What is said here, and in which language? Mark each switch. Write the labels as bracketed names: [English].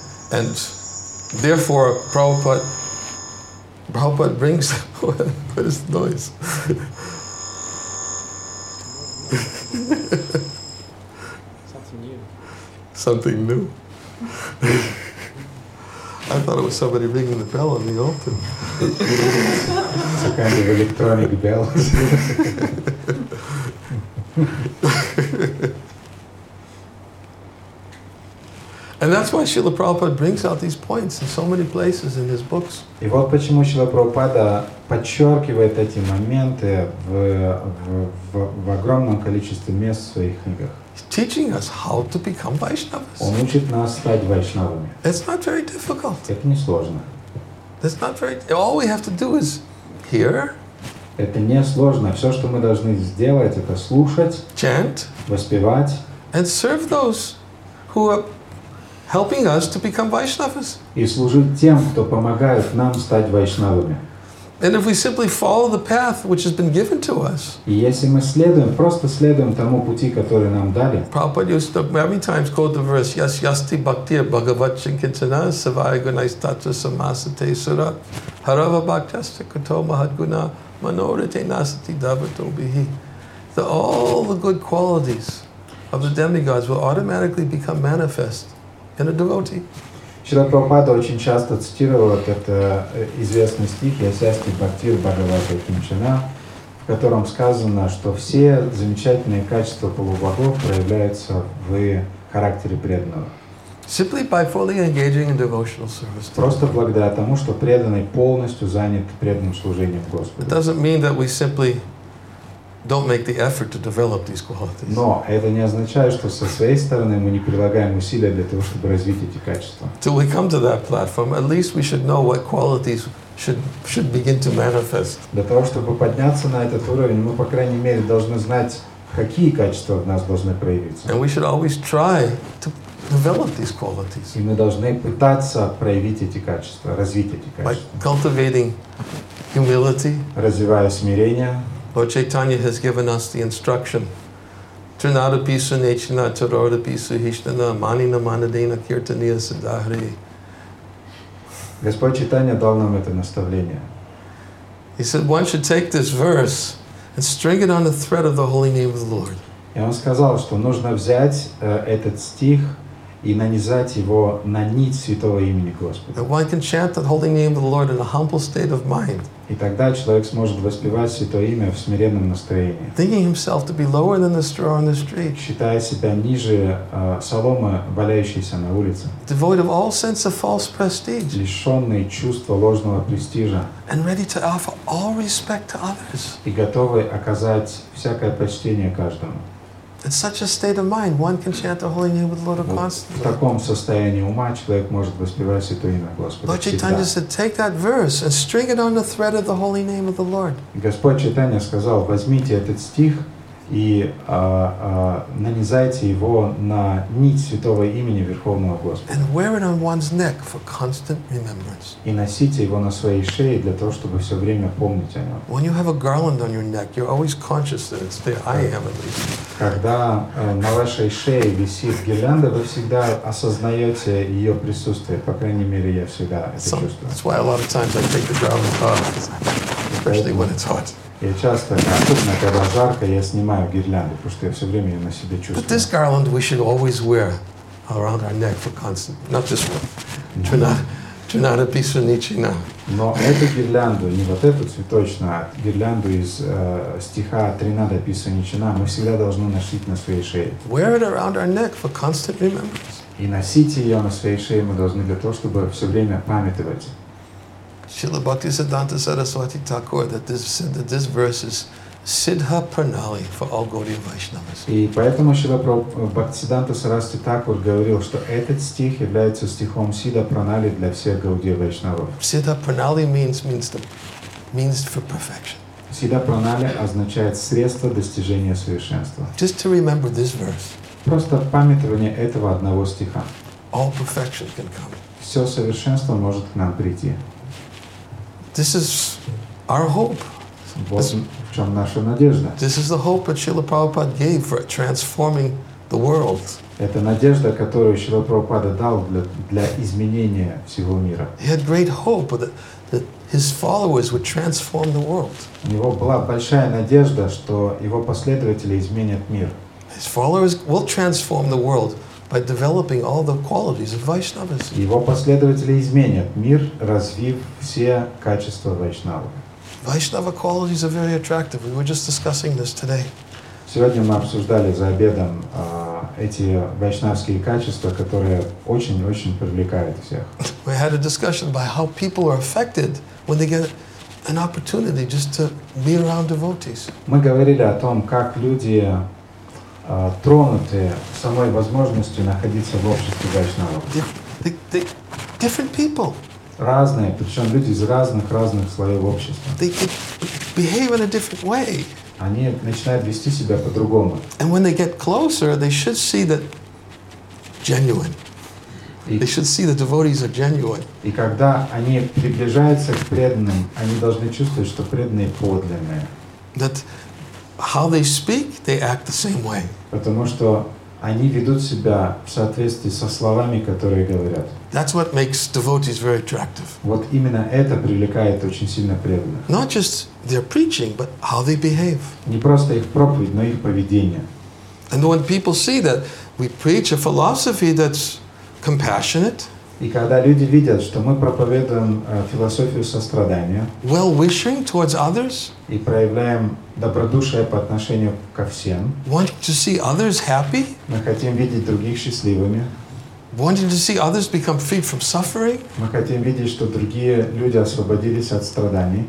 [English] And therefore, Prabhupada brings what is noise. Something new. I thought it was somebody ringing the bell on the altar. It's a kind of electronic bell. And that's why Srila Prabhupada brings out these points in so many places in his books. [Russian] И вот почему Шрила Прабхупада подчеркивает эти моменты в огромном количестве мест в своих книгах. [English] He's teaching us how to become Vaishnavas. [Russian] Он учит нас стать вайшнавами. [English] It's not very difficult. [Russian] Это не сложно. [English] It's not very. All we have to do is hear. [Russian] Это не сложно. Все, что мы должны сделать, это слушать, [English] chant, [Russian] воспевать, [English] and serve those who are helping us to become Vaishnavas. [Russian] И служить тем, кто помогает нам стать вайшнавами. [English] And if we simply follow the path which has been given to us. [Russian] И если мы следуем, просто следуем тому пути, который нам дали. [English] Prabhupada used to many times quote the verse, [Sanskrit] Yas yasti bhaktir bhagavat chinkitana savaya gunai stata samasate sura harava bhaktasya kato mahadguna manorite nasati davato bihi. [English] That all the good qualities of the demigods will automatically become manifest in a devotee. [Russian] Шрила Прабхупада очень часто цитировал этот известный стих [Sanskrit] «Ясясти бхактир бхагавата кинчана», [Russian] в котором сказано, что все замечательные качества полубогов проявляются в характере преданного. [English] Simply by fully engaging in devotional service. [Russian] Просто благодаря тому, что преданный полностью занят преданным служением Господу. [English] It doesn't mean that we simply don't make the effort to develop these qualities. [Russian] Но это не означает, что со своей стороны мы не прилагаем усилия для того, чтобы развить эти качества. [English] Till we come to that platform, at least we should know what qualities should begin to manifest. [Russian] Для того, чтобы подняться на этот уровень, мы по крайней мере должны знать, какие качества в нас должны проявиться. [English] And we should always try to develop these qualities. [Russian] И мы должны пытаться проявить эти качества, развить эти качества. [English] By cultivating humility. [Russian] Развивая смирение. [English] Lord Chaitanya has given us the instruction. [Sanskrit] Trinada Pisu Nechina Tarota Pisu Hishtana Manina Manadena Kirtaniya Siddhahri. [Russian] Господь Chaitanya дал нам это наставление. [English] He said one should take this verse and string it on the thread of the holy name of the Lord. [Russian] И он сказал, что нужно взять этот стих и нанизать его на нить святого имени Господа. [English] And one can chant the holy name of the Lord in a humble state of mind. [Russian] И тогда человек сможет воспевать Святое Имя в смиренном настроении. [English] Thinking himself to be lower than the straw on the street. [Russian] Считая себя ниже соломы, валяющейся на улице. [English] Devoid of all sense of false prestige. [Russian] Лишенный чувства ложного престижа. [English] And ready to offer all respect to others. [Russian] И готовый оказать всякое почтение каждому. [English] In such a state of mind, one can chant the holy name of the Lord constantly. [Russian] В таком состоянии ума человек может воспевать Святое Имя Господа. [English] Lord Chaitanya said, "Take that verse and string it on the thread of the holy name of the Lord." [Russian] Господь Чайтанья сказал, возьмите этот стих и нанизайте его на нить Святого Имени Верховного Господа. [English] And wear it on one's neck for constant remembrance. [Russian] И носите его на своей шее для того, чтобы все время помнить о нем. [English] When you have a garland on your neck, you're always conscious that it's there. I am at least. [Russian] Когда на вашей шее висит гирлянда, вы всегда осознаете ее присутствие. По крайней мере, я всегда это чувствую. [English] That's why a lot of times I take the garland off, especially when it's hot. [Russian] Я часто, особенно когда жарко, я снимаю гирлянду, потому что я все время ее на себе чувствую. [English] But this garland we should always wear around our neck for constant, not this one. [Sanskrit] Trinada Pisu Nechina. [Russian] Но эту гирлянду, не вот эту цветочную, а гирлянду из стиха [Sanskrit] Trinada Pisu Nechina, [Russian] мы всегда должны носить на своей шее. [English] Wear it around our neck for constant remembrance. [Russian] И носить ее на своей шее мы должны для того, чтобы все время памятовать. [English] Srila Bhaktisiddhanta Saraswati Thakur that this verse is Siddha Pranali for all Gaudiya Vaishnavas. [Russian] И поэтому Srila Bhaktisiddhanta Saraswati Thakur говорил, что этот стих является стихом Siddha Pranali для всех Gaudiya Vaishnavas. [English] Siddha Pranali means for perfection. [Russian] Siddha Pranali означает средство достижения совершенства. [English] Just to remember this verse. [Russian] Просто памятование этого одного стиха. [English] All perfection can come. [Russian] Все совершенство может к нам прийти. [English] This is our hope. [Russian] Вот в чем наша надежда. [English] This is the hope that Srila Prabhupada gave for transforming the world. [Russian] Это надежда, которую Шрила Прабхупада дал для изменения всего мира. [English] He had great hope that his followers would transform the world. [Russian] У него была большая надежда, что его последователи изменят мир. [English] His followers will transform the world by developing all the qualities of Vaishnavas. [Russian] Его последователи изменят мир, развив все качества Вайшнавы. [English] Vaishnava qualities are very attractive. We were just discussing this today. [Russian] Сегодня мы обсуждали за обедом эти вайшнавские качества, которые очень-очень привлекают всех. [English] We had a discussion about how people are affected when they get an opportunity just to be around devotees. [Russian] Мы говорили о том, как люди тронуты самой возможностью находиться в обществе вайшнавов. [English] Different people. [Russian] Разные, причем люди из разных слоев общества. [English] They behave in a different way. [Russian] Они начинают вести себя по-другому. [English] And when they get closer, they should see that genuine. They should see the devotees are genuine. [Russian] И когда они приближаются к преданным, они должны чувствовать, что преданные подлинные. [English] That how they speak, they act the same way. [Russian] Потому что они ведут себя в соответствии со словами, которые говорят. [English] That's what makes devotees very attractive. [Russian] Вот именно это привлекает очень сильно преданных. [English] Not just their preaching, but how they behave. [Russian] Не просто их проповедь, но их поведение. [English] And when people see that we preach a philosophy that's compassionate, [Russian] и когда люди видят, что мы проповедуем философию сострадания, [English] well-wishing towards others, [Russian] и проявляем добродушие по отношению ко всем, [English] wanting to see others happy, [Russian] мы хотим видеть других счастливыми, [English] wanting to see others become freed from suffering, [Russian] мы хотим видеть, что другие люди освободились от страданий,